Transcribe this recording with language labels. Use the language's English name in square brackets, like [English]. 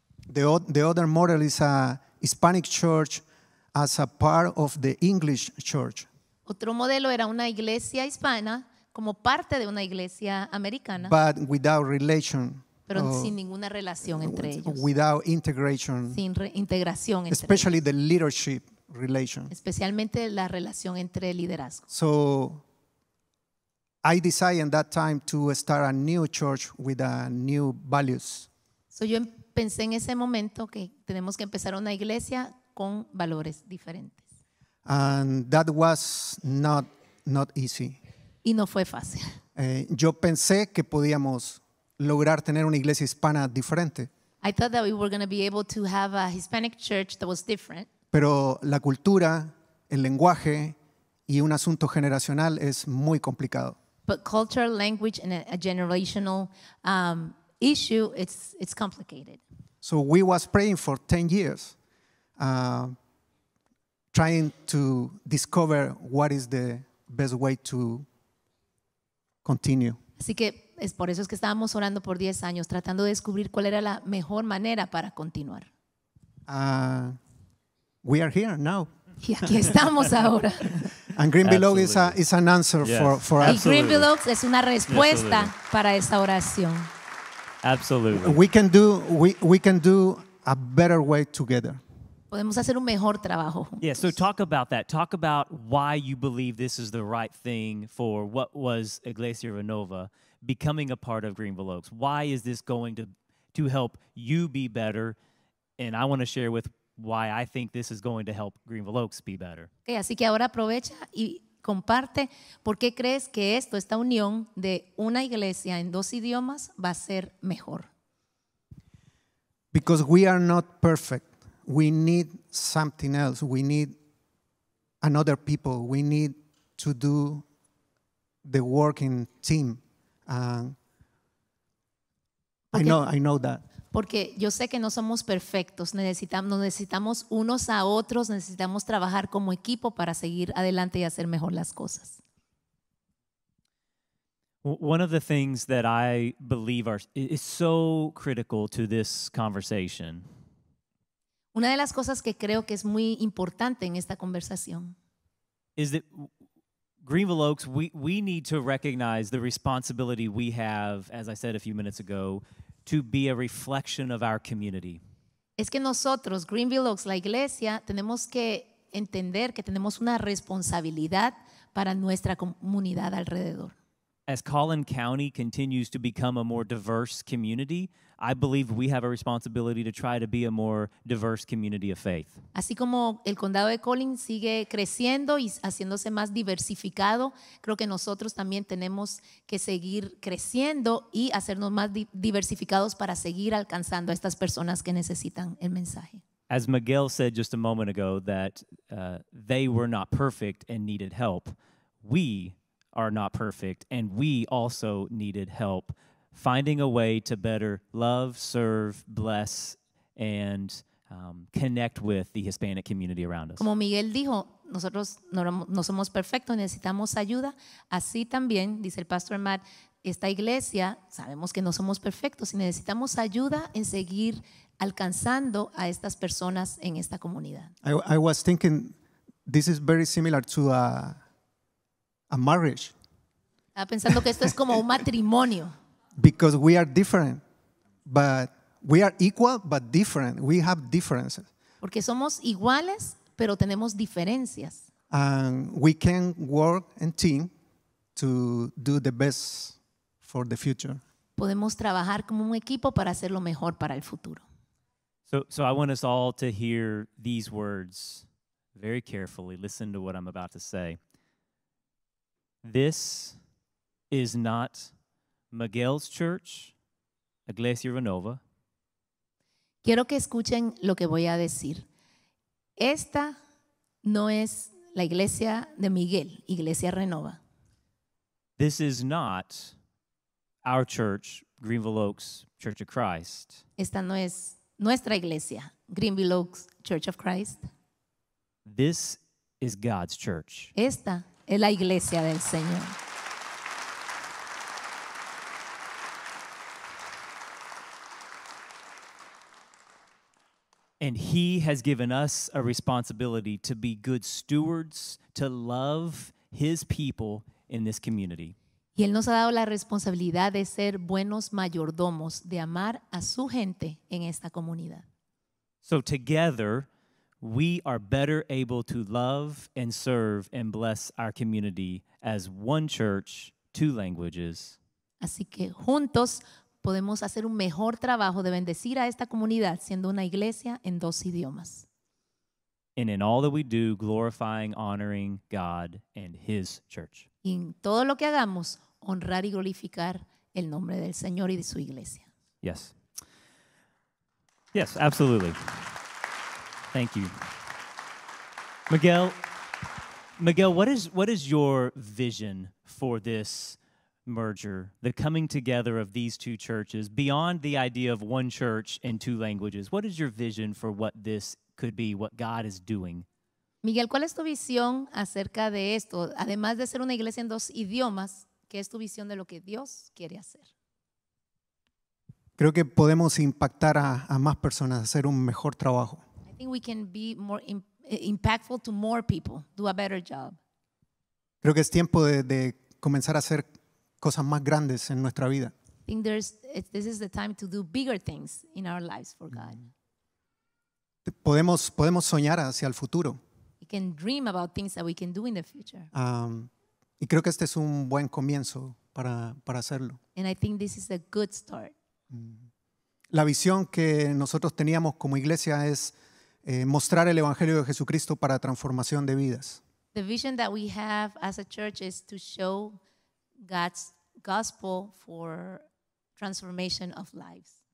[English] The other model is a Hispanic church as a part of the English church. [Spanish] Otro modelo era una iglesia hispana como parte de una iglesia americana. [English] But without relation. [Spanish] Pero sin ninguna relación entre ellos. [English] Without integration. [Spanish] Sin integración entre [English] especially [Spanish] ellos. [English] The leadership relation. [Spanish] Especialmente la relación entre liderazgo. [English] So I decided at that time to start a new church with a new values. [Spanish] So yo pensé en ese momento que tenemos que empezar una iglesia con valores diferentes. [English] And that was not easy. [Spanish] Y no fue fácil. Yo pensé que podíamos lograr tener una iglesia hispana diferente. [English] I thought that we were going to be able to have a Hispanic church that was different. [Spanish] Pero la cultura, el lenguaje y un asunto generacional es muy complicado. [English] But culture, language, and a generational issue, it's complicated. So we was praying for 10 years, trying to discover what is the best way to continue. [Spanish] Así que es por eso es que estábamos orando por 10 años, tratando de descubrir cuál era la mejor manera para continuar. [English] We are here now. [Spanish] Y aquí estamos ahora. [English] And Greenville Oaks is an answer for us. [Spanish] Y Greenville Oaks es una respuesta [English] absolutely [Spanish] para esta oración. [English] Absolutely. We can do a better way together. [Spanish] Podemos hacer un mejor trabajo juntos. [English] Yeah, so talk about that. Talk about why you believe this is the right thing for what was Iglesia Renova becoming a part of Greenville Oaks. Why is this going to help you be better? And I want to share with why I think this is going to help Greenville Oaks be better. [Spanish] Okay, así que ahora aprovecha y comparte por qué crees que esto, esta unión de una iglesia en dos idiomas, va a ser mejor. [English] Because we are not perfect. We need something else. We need another people. We need to do the work in team. I know that. [Spanish] Porque yo sé que no somos perfectos. Necesitamos unos a otros. Necesitamos trabajar como equipo para seguir adelante y hacer mejor las cosas. [English] One of the things that I believe is so critical to this conversation. [Spanish] Una de las cosas que creo que es muy importante en esta conversación. [English] Is that Greenville Oaks, we need to recognize the responsibility we have, as I said a few minutes ago, to be a reflection of our community. [Spanish] Es que nosotros, Greenville Oaks, la iglesia, tenemos que entender que tenemos una responsabilidad para nuestra comunidad alrededor. [English] As Collin County continues to become a more diverse community, I believe we have a responsibility to try to be a more diverse community of faith. [Spanish] Así como el condado de Collin sigue creciendo y haciéndose más diversificado, creo que nosotros también tenemos que seguir creciendo y hacernos más diversificados para seguir alcanzando a estas personas que necesitan el mensaje. [English] As Miguel said just a moment ago, that they were not perfect and needed help. We are not perfect, and we also needed help finding a way to better love, serve, bless, and connect with the Hispanic community around us. [Spanish] Como Miguel dijo, nosotros no somos perfectos, necesitamos ayuda. Así también, dice el Pastor Matt, esta iglesia, sabemos que no somos perfectos y necesitamos ayuda en seguir alcanzando a estas personas en esta comunidad. [English] I was thinking this is very similar to a marriage. [Spanish] Estaba pensando que esto es como un matrimonio. [English] Because we are different, but we are equal, but different. We have differences. [Spanish] Porque somos iguales, pero tenemos diferencias. [English] And we can work in team to do the best for the future. [Spanish] Podemos trabajar como un equipo para hacer lo mejor para el futuro. [English] So I want us all to hear these words very carefully. Listen to what I'm about to say. This is not Miguel's church, Iglesia Renova. [Spanish] Quiero que escuchen lo que voy a decir. Esta no es la iglesia de Miguel, Iglesia Renova. [English] This is not our church, Greenville Oaks Church of Christ. [Spanish] Esta no es nuestra iglesia, Greenville Oaks Church of Christ. [English] This is God's church. [Spanish] Esta es la iglesia del Señor. [English] And he has given us a responsibility to be good stewards, to love his people in this community. [Spanish] Y él nos ha dado la responsabilidad de ser buenos mayordomos, de amar a su gente en esta comunidad. [English] So together, we are better able to love and serve and bless our community as one church, two languages. [Spanish] Así que juntos podemos hacer un mejor trabajo de bendecir a esta comunidad siendo una iglesia en dos idiomas. [English] And in all that we do, glorifying, honoring God and his church. [Spanish] Y en todo lo que hagamos, honrar y glorificar el nombre del Señor y de su iglesia. [English] Yes. Yes, absolutely. Thank you. Miguel, what is your vision for this merger, the coming together of these two churches, beyond the idea of one church and two languages? What is your vision for what this could be, what God is doing? [Spanish] Miguel, ¿cuál es tu visión acerca de esto? Además de ser una iglesia en dos idiomas, ¿qué es tu visión de lo que Dios quiere hacer? Creo que podemos impactar a más personas, hacer un mejor trabajo. [English] I think we can be more impactful to more people, do a better job. [Spanish] Creo que es tiempo de comenzar a hacer cosas más grandes en nuestra vida. [English] I think this is the time to do bigger things in our lives for God. [Spanish] Podemos soñar hacia el futuro. [English] We can dream about things that we can do in the future. [Spanish] Y creo que este es un buen comienzo para hacerlo. [English] And I think this is a good start. [Spanish] La visión que nosotros teníamos como iglesia es mostrar el evangelio de Jesucristo para transformación de vidas. [English] The vision that we have as a church is to show God's gospel for transformation of lives.